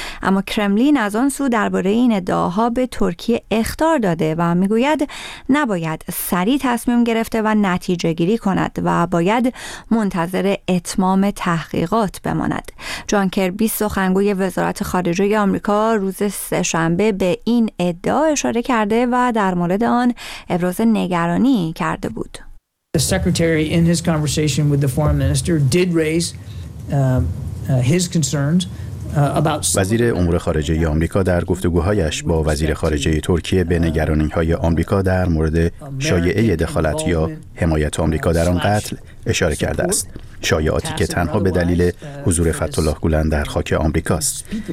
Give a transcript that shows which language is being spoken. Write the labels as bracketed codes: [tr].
[fa] اما کرملین از آن سو درباره این ادعاها به ترکیه اخطار داده و میگوید نباید سریع تصمیم گرفته و نتیجه گیری کند و باید منتظر اتمام تحقیقات بماند. جان کربی، سخنگوی وزارت خارجه آمریکا، روز سه‌شنبه به این ادعا اشاره کرده و در مورد آن ابراز نگرانی کرده بود. [en] The secretary in his conversation with the foreign minister did raise his concerns. [fa] وزیر امور خارجه آمریکا در گفتگوهایش با وزیر خارجه ترکیه به نگرانی‌های آمریکا در مورد شایعه دخالت یا حمایت آمریکا در آن قتل اشاره کرده است. شایعاتی که تنها به دلیل حضور فتح الله گولن در خاک آمریکا است.